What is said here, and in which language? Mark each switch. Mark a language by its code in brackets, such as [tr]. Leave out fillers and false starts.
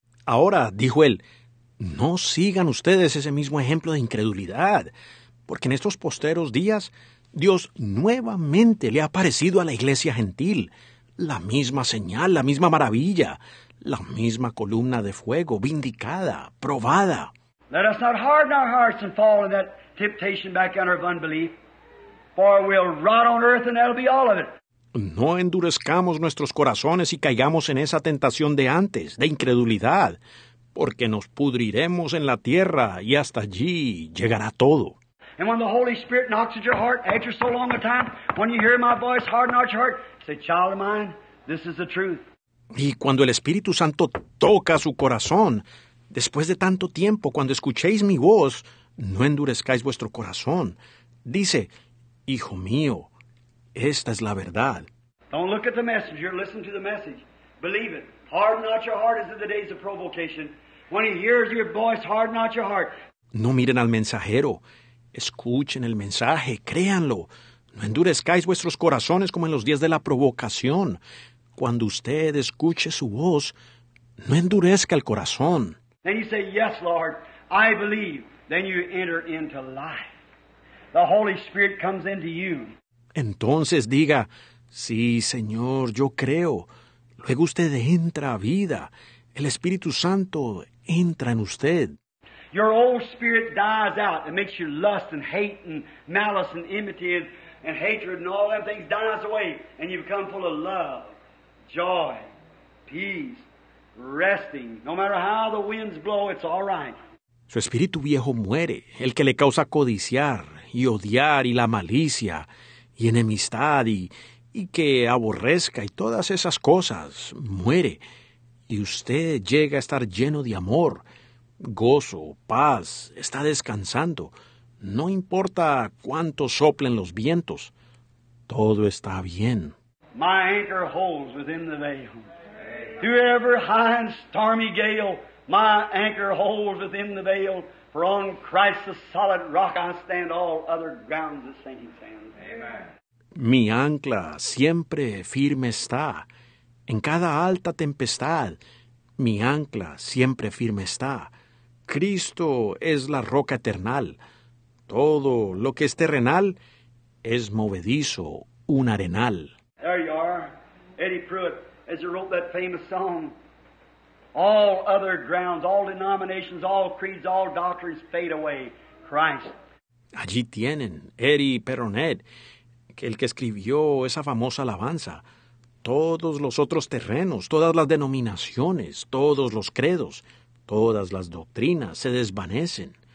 [es] Ahora, dijo él, no sigan ustedes ese mismo ejemplo de incredulidad, porque en estos posteros días, Dios nuevamente le ha aparecido a la iglesia gentil. La misma señal, la misma maravilla, la misma columna de fuego, vindicada, probada. [en] Let us not harden our hearts and fall in that temptation back under of unbelief, for we'll rot on earth and that'll be all of it. [es] No endurezcamos nuestros corazones y caigamos en esa tentación de antes, de incredulidad, porque nos pudriremos en la tierra y hasta allí llegará todo. [en] And when the Holy Spirit knocks at your heart after so long a time, when you hear my voice, harden not your heart, say, child of mine, this is the truth. [es] Y cuando el Espíritu Santo toca su corazón, después de tanto tiempo, cuando escuchéis mi voz, no endurezcáis vuestro corazón. Dice, hijo mío, esta es la verdad. [en] Don't look at the messenger, listen to the message. Believe it. Harden not your heart as in the days of provocation. When he hears your voice, harden not your heart. [es] No miren al mensajero. Escuchen el mensaje, créanlo. No endurezcáis vuestros corazones como en los días de la provocación. Cuando usted escuche su voz, no endurezca el corazón. [en] Then you say, yes, Lord, I believe. Then you enter into life. The Holy Spirit comes into you. [es] Entonces diga, sí, Señor, yo creo. Luego usted entra a vida. El Espíritu Santo entra en usted. [en] Your old spirit dies out. It makes you lust and hate and malice and enmity and hatred and all them things dies away. And you become full of love, joy, peace, resting. No matter how the winds blow, it's all right. [es] Su espíritu viejo muere, el que le causa codiciar y odiar y la malicia y enemistad y que aborrezca y todas esas cosas, muere. Y usted llega a estar lleno de amor, gozo, paz, está descansando. No importa cuánto soplen los vientos, todo está bien. [en] My anchor holds within the veil. Through every high and stormy gale, my anchor holds within the veil. For on Christ the solid rock I stand, all other ground the same sand. [es] Mi ancla siempre firme está. En cada alta tempestad, mi ancla siempre firme está. Cristo es la roca eternal. Todo lo que es terrenal es movedizo, un arenal. [en] There you are, Eddie Pruitt, as he wrote that famous song. All other grounds, all denominations, all creeds, all doctrines fade away. Christ. [es] Allí tienen, Eddie Perronet, el que escribió esa famosa alabanza. Todos los otros terrenos, todas las denominaciones, todos los credos, todas las doctrinas se desvanecen.